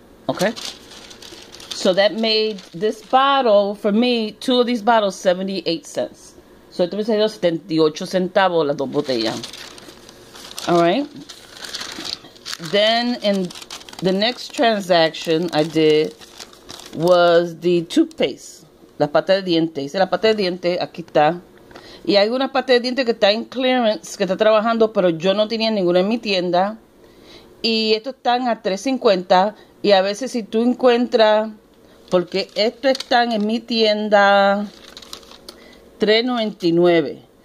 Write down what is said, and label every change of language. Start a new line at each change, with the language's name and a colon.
English: Okay, so that made this bottle for me, two of these bottles, 78 cents.
Spanish: So esto me salió 78 centavos las dos botellas.
English: All right. Then, in the next transaction I did was the toothpaste.
Spanish: La pasta de dientes. Hice la pasta de dientes. Aquí está. Y hay una pasta de dientes que está en clearance, que está trabajando, pero yo no tenía ninguna en mi tienda. Y estos están a $3.50. Y a veces si tú encuentras, porque estos están en mi tienda, $3.99.